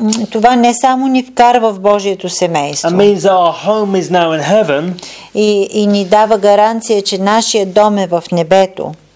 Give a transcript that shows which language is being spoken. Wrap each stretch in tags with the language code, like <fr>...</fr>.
<bg>Това не само ни вкарва в Божието семейство.</bg> <en>It means our home is now in heaven.</en> <bg>И ни дава гаранция, че нашия дом е в небето.</bg>